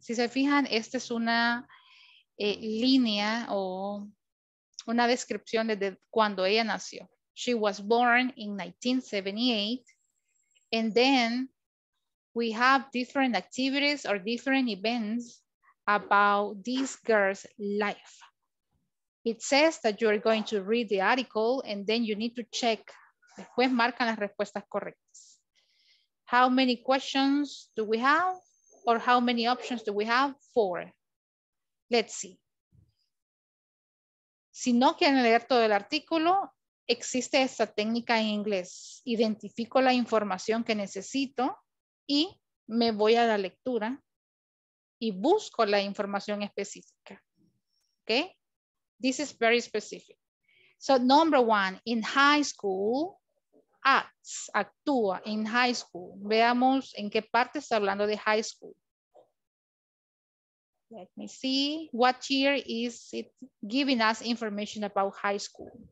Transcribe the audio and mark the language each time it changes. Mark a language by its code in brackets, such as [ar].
[es] Si se fijan, esta es una línea o una descripción de cuando ella nació. [en] She was born in 1978, and then we have different activities or different events about this girl's life. It says that you are going to read the article and then you need to check. [es] Después marcan las respuestas correctas. [en] How many questions do we have? Or how many options do we have? 4. Let's see. [es] Si no quieren leer todo el artículo, existe esta técnica en inglés. Identifico la información que necesito y me voy a la lectura y busco la información específica. Okay? [en] This is very specific. So number one, in high school, actúa in high school. [es] Veamos en qué parte está hablando de high school. [en] Let me see, what year is it giving us information about high school?